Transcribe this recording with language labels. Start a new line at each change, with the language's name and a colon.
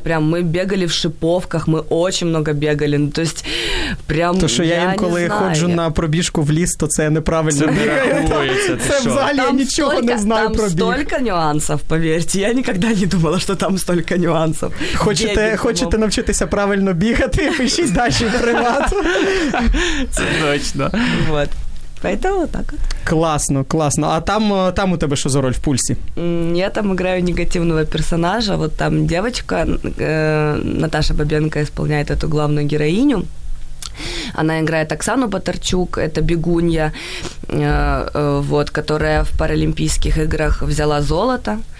Russian: Прям мы бегали в шиповках, мы очень много бегали. Ну, то есть, прям,
Ukrainian: то, что я інколи ходжу на пробіжку в ліс, то це я неправильно бігаю. Це взагалі я нічого не знаю про біг.
Russian: Там столько нюансов, повірте.
Ukrainian: Я ніколи не думала, що там
Russian: столько нюансов.
Ukrainian: Хочете навчитися правильно бігати, пишіть далі в приват. Це точно.
Russian: Вот. Поэтому вот так вот. Классно, классно. А там у тебя что за роль в «Пульсе»? Я там играю негативного персонажа. Вот там девочка, Наташа Бабенко, исполняет эту главную героиню. Она играет Оксану Батарчук, это бегунья, вот, которая в Паралимпийских играх взяла золото.